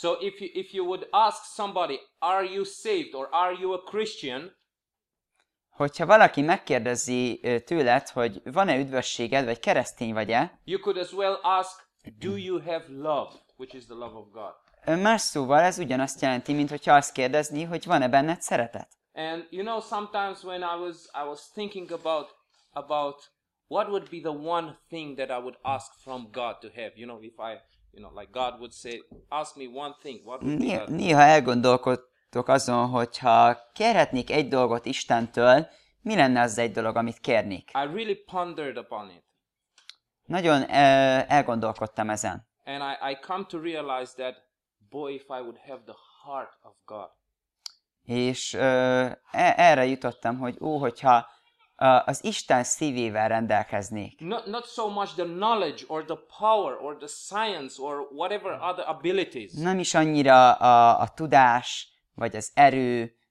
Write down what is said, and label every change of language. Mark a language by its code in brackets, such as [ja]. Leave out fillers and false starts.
[en] So if you would ask somebody, are you saved or are you a Christian? [hu] Hogyha valaki megkérdezi tőled, hogy van-e üdvösséged vagy keresztény vagy-e? [en] You could as well ask, do you have love, which is the love of God? [hu] Más szóval ez ugyanazt jelenti, mint hogyha azt kérdezni, hogy van-e benned szeretet. [en] And you know, sometimes when I was thinking about what would be the one thing that I would ask from God to have, you know, if I, you know, like God would say, ask me one thing, what would be that? [hu] Néha elgondolkodtok azon, hogyha kérhetnék egy dolgot Istentől, mi lenne az egy dolog, amit kérnék? [en] I really pondered upon it. [hu] Nagyon elgondolkodtam ezen. [en] And I come to realize that, boy, if I would have the heart of God. [hu] És erre jutottam, hogy hogyha az Isten szívével rendelkeznék. [en] Not so much the knowledge or the power or the science or whatever other abilities. [hu] Nem is annyira a tudás vagy az erő